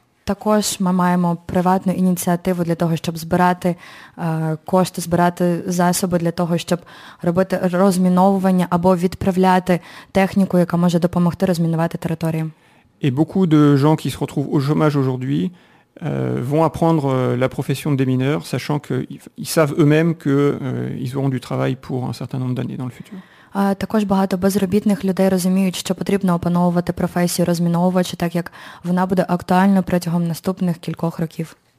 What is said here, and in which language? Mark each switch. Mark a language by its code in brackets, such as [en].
[uk] також ми маємо приватну ініціативу для того, щоб збирати кошти, збирати засоби для того, щоб робити розміновування або відправляти техніку, яка може допомогти розмінувати території. І [fr] beaucoup de gens qui se retrouvent au chômage aujourd'hui vont apprendre la profession des mineurs, sachant qu'ils savent eux-mêmes qu'ils auront du travail pour un certain nombre d'années dans le futur. [uk] Також багато безробітних людей розуміють, що потрібно опановувати професію розміновувача, так як вона буде актуальна протягом наступних кількох років.